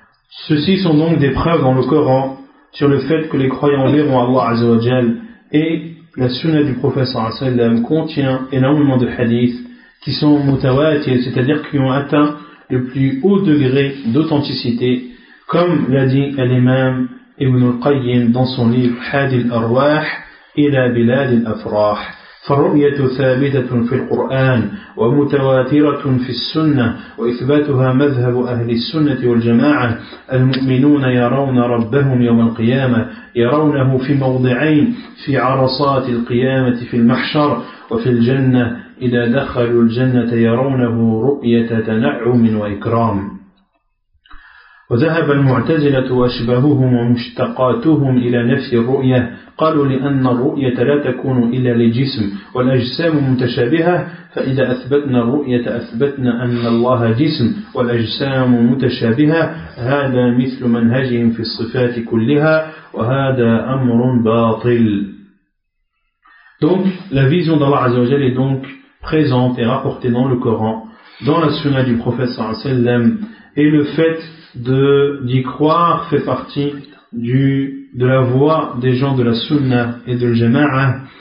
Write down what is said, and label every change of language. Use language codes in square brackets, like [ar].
[fr] Ceci sont donc des preuves dans le Coran sur le fait que les croyants verront Allah Azza wa Jal, et la sunna du prophète sallallahu alayhi wa sallam contient énormément de hadiths qui sont mutawatir, c'est-à-dire qui ont atteint le plus haut degré d'authenticité, comme l'a dit l'imam Ibn al-Qayyim dans son livre « Hadi al-Arwah ila bilad al-Afrah ». [ar] فالرؤية ثابتة في القرآن ومتواترة في السنة وإثباتها مذهب أهل السنة والجماعة المؤمنون يرون ربهم يوم القيامة يرونه في موضعين في عرصات القيامة في المحشر وفي الجنة إذا دخلوا الجنة يرونه رؤية تنعم وإكرام وذهب المعتزلة وأشبههم ومشتقاتهم إلى نفي الرؤية قالوا لأن الرؤية لا تكون إلا لجسم والأجسام متشابهة فإذا أثبتنا الرؤية أثبتنا أن الله جسم والأجسام متشابهة هذا مثل منهجهم في الصفات كلها وهذا أمر باطل. [fr] Donc la vision d'Allah Azza wa Jalla est donc présente et rapportée dans le Coran, dans la Sunna du Prophète sallallahu alayhi wa sallam, et le fait d'y croire fait partie de la voix des gens de la sunna et de l'jama'a.